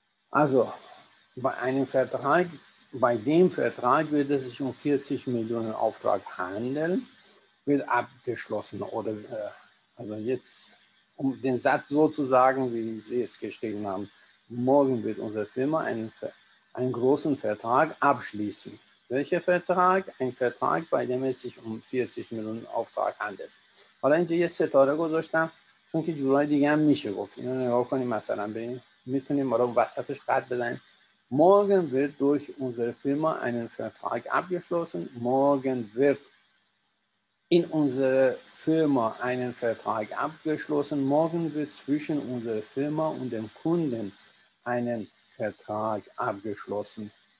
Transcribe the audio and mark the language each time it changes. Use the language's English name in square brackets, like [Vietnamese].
[German] Also bei einem Vertrag, bei dem Vertrag wird es sich um 40 Millionen Auftrag handeln, wird abgeschlossen. Oder also jetzt, um den Satz so zu sagen, wie Sie es geschrieben haben. Morgen wird unsere Firma einen großen Vertrag abschließen. Welcher Vertrag? Ein Vertrag, bei dem es sich um 40 Millionen Auftrag handelt. [Persian] حالا اینجا یه ستاره گذاشتم چون که جورای دیگه هم میشه گفت. اینو نگاه کنیم مثلا ببین میتونیم برای وسطش قد بزنیم. [German] Morgen wird durch unsere Firma einen Vertrag abgeschlossen. Morgen wird in unsere Firma einen Vertrag abgeschlossen. Morgen wird zwischen unserer Firma und dem Kunden einen Vertrag abgeschlossen.